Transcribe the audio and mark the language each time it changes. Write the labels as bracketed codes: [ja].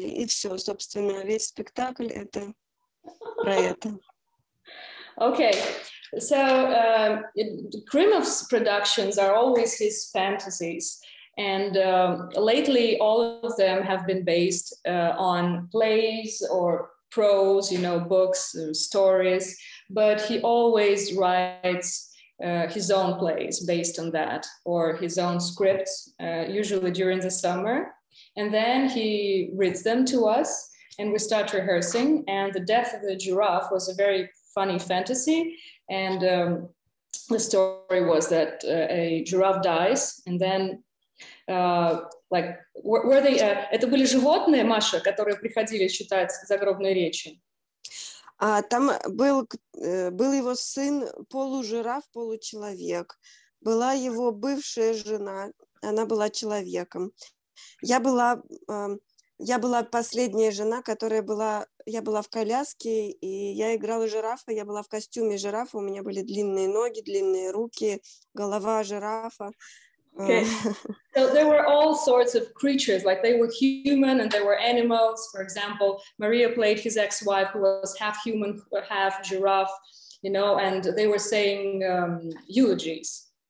[ru] И все, собственно, весь спектакль — это про это. [en] Okay, so Krymov's productions are always his fantasies, and lately all of them have been based on plays or prose, you know, books or stories, but he always writes his own plays based on that, or his own scripts, usually during the summer, and then he reads them to us, and we start rehearsing, and The Death of the Giraffe was a very funny fantasy, and the story was that a giraffe dies, and then, like, were they, [ru] это были животные, Маша, которые приходили читать загробные речи? Там был его сын, полужираф, получеловек, была его бывшая жена, она была человеком. Я была последняя жена, которая была, я была в коляске, и я играла жирафа, я была в костюме жирафа, у меня были длинные ноги, длинные руки, голова жирафа, [en] Okay. So there were all sorts of creatures, like they were human and there were animals. For example, Maria played his ex-wife who was half human, half giraffe, you know, and they were saying eulogies.